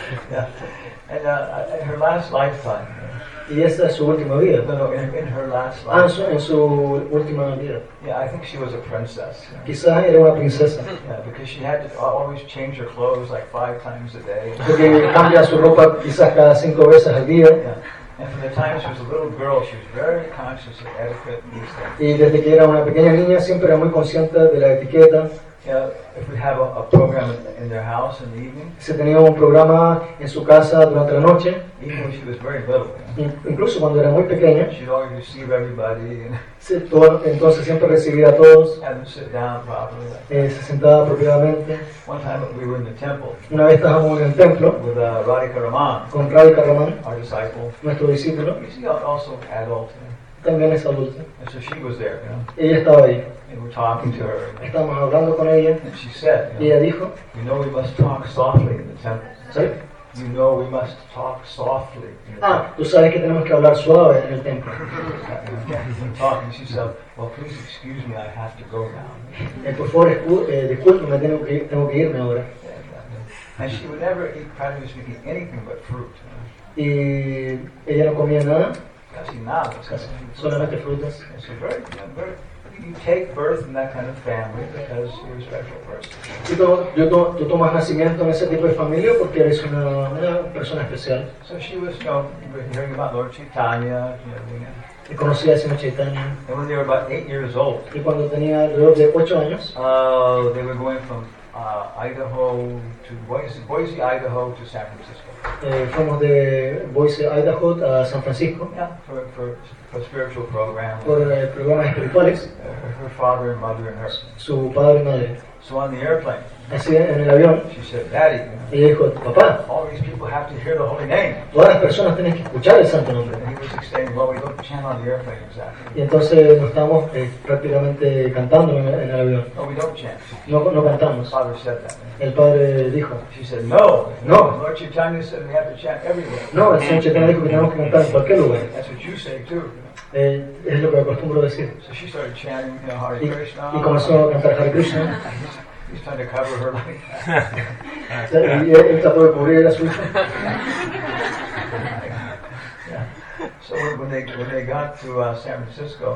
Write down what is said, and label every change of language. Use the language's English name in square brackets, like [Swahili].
[English] Yeah. And in her last lifetime. [Spanish] Y esta es su última vida. [English] No, in her last life. [Spanish] En su última vida. [English] Yeah, I think she was a princess. [Spanish] Quizá era una princesa. [English] Yeah, because she had to always change her clothes like 5 times a day. [Spanish] Porque cambia su ropa quizás cada 5 veces al día. [English] Yeah. And from the time she was a little girl, she was very conscious of etiquette and these things. [Spanish] Y desde que era una pequeña niña siempre era muy consciente de la etiqueta. [English] Yeah, if we have a program in their house in the evening. [Spanish] Se tenía un programa en su casa durante la noche. [English] Even when she was very little. [Spanish] Incluso cuando era muy pequeña. [English] She'd always receive everybody. [Spanish] Entonces siempre recibía a todos. [English] And sit down properly. [Spanish] Se sentaba apropiadamente. [English] One time we were in the temple. [Spanish] Una vez estábamos en el templo. [English] With Radhika Raman. [Spanish] Con Radhika Raman. [English] Our disciple. [Spanish] Nuestro discípulo. [English] You see, also adult. [Spanish] También es adulto. [English] And so she was there. You know? [Spanish] Ella estaba ahí. [English] And we're talking to her. [Spanish] Estamos hablando con ella. [English] And she said, [Spanish] y ella dijo, [English] you know, we must talk softly in the temple. [Spanish] ¿Sí? [English] You know we must talk softly. [Spanish] Ah, tú sabes que tenemos que hablar suave en el templo. [English] Talking, she said, "Well, please excuse me, I have to go now." [Spanish] Por favor, discúlpeme, tengo que irme ahora. [English] And she would never eat practically anything but fruit. [Spanish] Y ella no comía nada. Casi nada. Solamente frutas. [English] It's a very, very. You take birth in that kind of family because you're a special person. [Spanish] Tú tomas nacimiento en ese tipo de familia porque eres una persona especial. [English] So she was, you know, hearing about Lord Chaitanya. You know, [Spanish] y conocí a ese Chaitanya. [English] And when they were about 8 years old. [Spanish] Y cuando tenía alrededor de 8 años. [English] They were going from Idaho to Boise, Idaho to San Francisco. [Spanish] Fuimos de Boise, Idaho a San Francisco. [English] Yeah, for spiritual program. [Spanish] Por programas espirituales. [English] Her father and mother and her. [Spanish] Su padre y madre. [English] So on the airplane. [Spanish] Así en el avión. [English] She said, "Daddy." [Spanish] Y dijo, papá. [English] All these people have to hear the holy name. [Spanish] Todas las personas tienen que escuchar el santo nombre. [English] And he was explaining, well, we don't chant on the airplane exactly. [Spanish] Y entonces nos estamos prácticamente cantando en el avión. [English] No, we don't chant. [Spanish] No cantamos. [English] The father said that. [Spanish] El padre dijo. [English] She said, "No, [Spanish] no. [English] Lord Chaitanya said we have to chant everywhere." [Spanish] No, el señor Chaitanya dijo que tenemos que cantar en cualquier lugar. [English] That's what you say too. [Spanish] Es lo que acostumbro decir. [English] So she started chanting, you know, Hare Krishna. [Spanish] Y comenzó a cantar Hare Krishna. [English] He's trying to cover her like that. Yeah. Yeah. Yeah. So when they got to San Francisco,